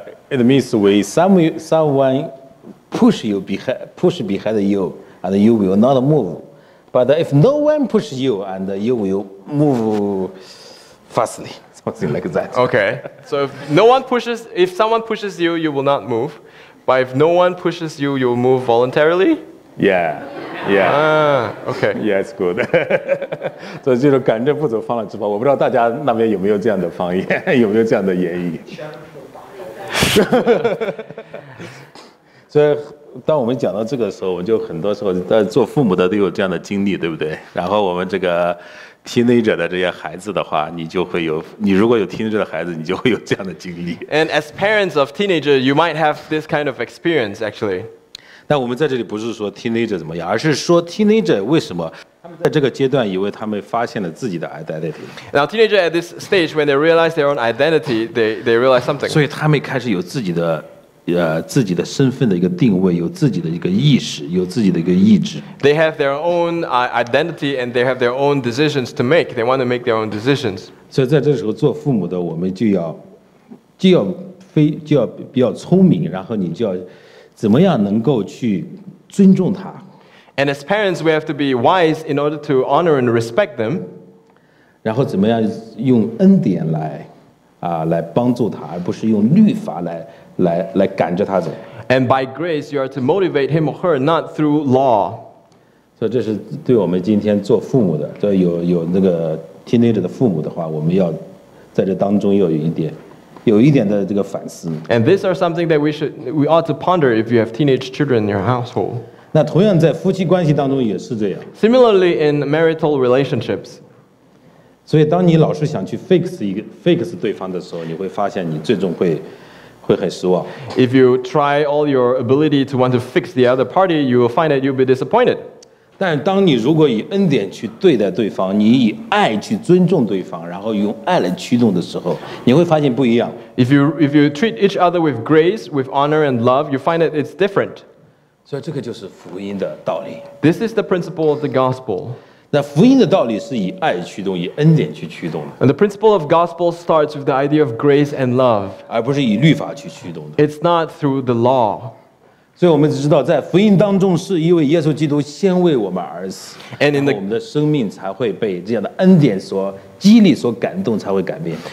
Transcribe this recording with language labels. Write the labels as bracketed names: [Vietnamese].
[English] It means we someone push behind you and you will not move. But if no one pushes you, and you will move fastly, something like that. Okay. So if someone pushes you, you will not move. But if no one pushes you, you will move voluntarily. Yeah. Yeah. Okay. Yeah, it's good. [Chinese] 所以就是赶着不走，放了直跑。我不知道大家那边有没有这样的方言，有没有这样的言语。所以。当我们讲到这个时候，我就很多时候在做父母的都有这样的经历，对不对？然后我们这个teenager的这些孩子的话，你就会有，你如果有teenager的孩子，你就会有这样的经历。 [English] And as parents of teenager, you might have this kind of experience, actually. [Chinese] 那我们在这里不是说 teenager 怎么样，而是说 teenager 为什么他们在这个阶段以为他们发现了自己的 identity。 [English] Now teenager at this stage when they realize their own identity, they realize something。 [Chinese] 所以他们开始有自己的自己的身份的一个定位，有自己的一个意识，有自己的一个意志。 [English] They have their own identity and they have their own decisions to make. They want to make their own decisions. [Chinese] 所以在这时候做父母的，我们就要比较聪明，然后你就要怎么样能够去尊重他。 [English] And as parents, we have to be wise in order to honor and respect them. [Chinese] 然后怎么样用恩典来帮助他，而不是用律法来赶着他走。 [English] And by grace, you are to motivate him or her, not through law. [Chinese] 所以这是对我们今天做父母的，所以有那个 teenager 的父母的话，我们要在这当中要有一点的这个反思。 [English] And these are something that we ought to ponder if you have teenage children in your household. [Chinese] 那同样在夫妻关系当中也是这样。 [English] Similarly in marital relationships. [Chinese] 所以当你老是想去 fix 对方的时候，你会发现你最终会很失望。 [English] If you try all your ability to want to fix the other party, you will find that you'll be disappointed. [Chinese] 但当你如果以恩典去对待对方，你以爱去尊重对方，然后用爱来驱动的时候，你会发现不一样。 [English] If you treat each other with grace, with honor and love, you find that it's different. [Chinese] 所以这个就是福音的道理。 [English] This is the principle of the gospel. [Chinese] 那福音的道理是以爱驱动，以恩典去驱动的。 [English] And the principle of gospel starts with the idea of grace and love. [Chinese] 而不是以律法去驱动的。 [English] It's not through the law. [Chinese] 所以我们只知道在福音当中是因为耶稣基督先为我们而死。 [English] And in the, [Chinese] 然后我们的生命才会被这样的恩典所激励所感动才会改变。